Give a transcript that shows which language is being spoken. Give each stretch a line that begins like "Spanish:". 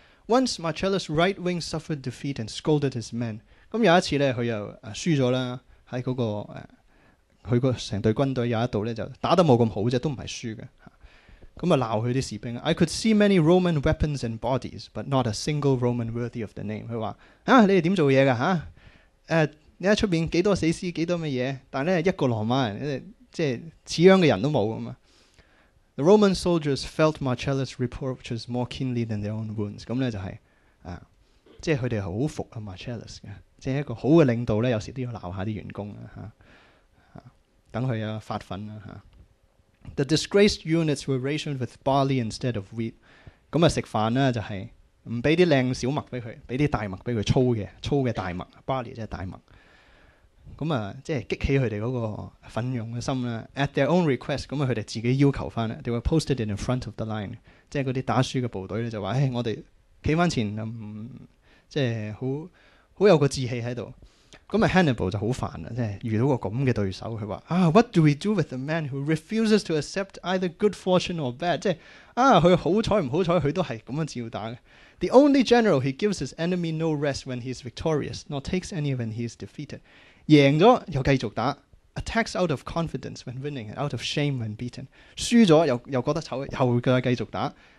English: Once Marcellus' right wing suffered defeat and scolded his men。
Cantonese: 咁有一次咧，佢又輸咗啦，喺嗰、那個佢個成隊軍隊有一度咧就打得冇咁好啫，都唔係輸嘅。咁啊鬧佢啲士兵。
English: I could see many Roman weapons and bodies, but not a single Roman worthy of the name。
Cantonese: 佢話：啊，你哋點做嘢㗎嚇？你喺出邊幾多死屍幾多乜嘢？但咧一個羅馬人，即係似樣嘅人都冇咁啊！
English: The Roman soldiers felt Marcellus' reproaches more keenly than their own wounds.
Cantonese: 咁咧就係、是、啊，即係佢哋係好服啊 Marcellus 嘅，即係一個好嘅領導咧，有時都要鬧下啲員工啊嚇，等佢啊發奮啊嚇。
English: The disgraced units were rationed with barley instead of wheat.
Cantonese: 咁啊食飯咧就係唔俾啲靚小麦俾佢，俾啲大麦俾佢粗嘅大麦 barley 即係大麦。咁啊，即係激起佢哋嗰個奮勇嘅心啦。
English: At their own request，
Cantonese: 咁啊，佢哋自己要求翻啦。
English: They were posted in front of the line，
Cantonese: 即係嗰啲打輸嘅部隊咧就話：，我哋企翻前，即係好有個志氣喺度。咁啊 ，Hannibal 就好煩啦，即係遇到個咁嘅對手，佢話：啊 ，
English: What do we do with a man who refuses to accept either good fortune or bad？
Cantonese: 即係啊，佢好彩唔好彩，佢都係咁樣照打嘅。
English: The only general he gives his enemy no rest when he is victorious， nor takes any when he is defeated。
Cantonese: 贏咗又繼續打
English: ，attacks out of confidence when winning and out of shame when beaten。
Cantonese: 輸咗又覺得醜，又再繼續打。